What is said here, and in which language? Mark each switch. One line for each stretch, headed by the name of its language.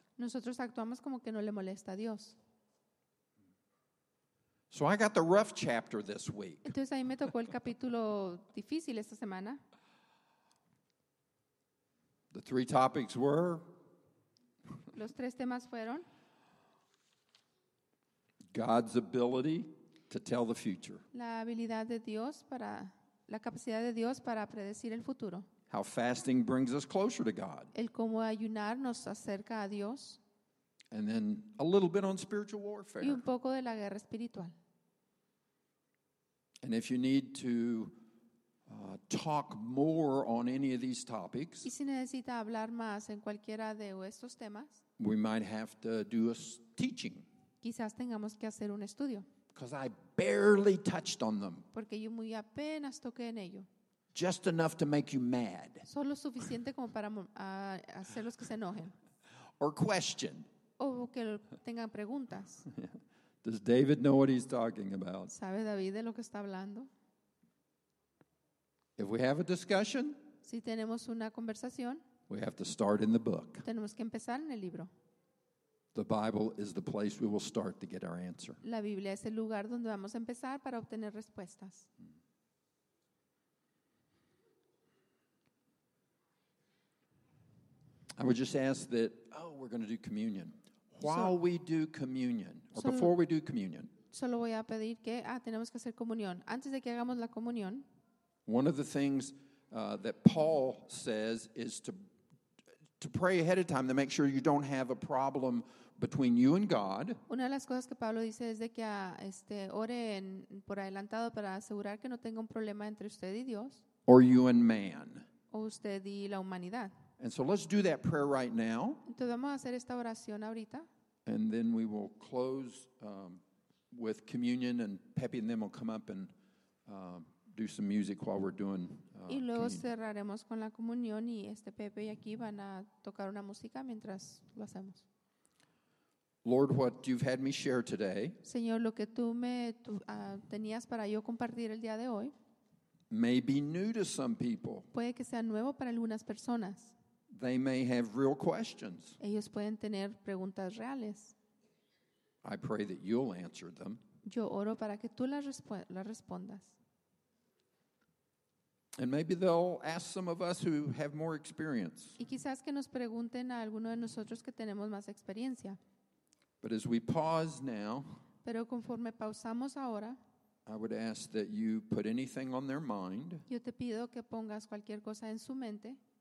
Spanish: Nosotros actuamos como que no le molesta a Dios.
English: So I got the rough chapter this week.
Spanish: Entonces a mí me tocó el capítulo difícil esta semana.
English: The three topics were.
Spanish: Los tres temas fueron.
English: God's ability to tell the future.
Spanish: La habilidad de Dios para la capacidad de Dios para predecir el futuro.
English: How fasting brings us closer to God.
Spanish: El cómo ayunar nos acerca a Dios.
English: And then a little bit on spiritual warfare.
Spanish: Y un poco de la guerra espiritual.
English: And if you need to talk more on any of these topics,
Spanish: y si necesita hablar más en cualquiera de estos temas,
English: we might have to do a teaching.
Spanish: Quizás tengamos que hacer un estudio.
English: Because I barely touched on them.
Spanish: Porque yo muy apenas toqué en ello.
English: Just enough to make you mad.
Spanish: Solo suficiente como para hacerlos que se enojen.
English: Or question.
Spanish: O que tengan preguntas.
English: Does David know what he's talking about?
Spanish: ¿Sabe David de lo que está hablando?
English: If we have a discussion,
Spanish: Si tenemos una conversación,
English: we have to start in the book.
Spanish: Tenemos que empezar en el libro.
English: The Bible is the place we will start to get our answer.
Spanish: La Biblia es el lugar donde vamos a empezar para obtener respuestas.
English: I would just ask that, oh, we're going to do communion. While we do communion, or before we do communion,
Spanish: solo voy a pedir que, tenemos que hacer comunión. Antes de que hagamos la comunión,
English: one of the things that Paul says is to pray ahead of time to make sure you don't have a problem between you and God.
Spanish: Una de las cosas que Pablo dice es de que ore por adelantado para asegurar que no tenga un problema entre usted y Dios.
English: Or you and man.
Spanish: O usted y la humanidad.
English: And so let's do that prayer right now.
Spanish: Entonces vamos a hacer esta oración ahorita.
English: And then we will close with communion, and Pepe and them will come up and do some music while we're doing communion.
Spanish: Y luego cerraremos con la comunión y Pepe y aquí van a tocar una música mientras lo hacemos.
English: Lord, what you've had me share today.
Spanish: Señor, lo que tú me tenías para yo compartir el día de hoy.
English: May be new to some people.
Spanish: Puede que sea nuevo para algunas personas.
English: They may have real questions.
Spanish: Ellos pueden tener preguntas reales.
English: I pray that you'll answer them.
Spanish: Yo oro para que tú las respondas.
English: And maybe they'll ask some of us who have more experience.
Spanish: Y quizás que nos pregunten a alguno de nosotros que tenemos más experiencia.
English: But as we pause now,
Spanish: pero conforme pausamos ahora,
English: I would ask that you put anything on their mind.
Spanish: Yo te pido que pongas cualquier cosa en su mente.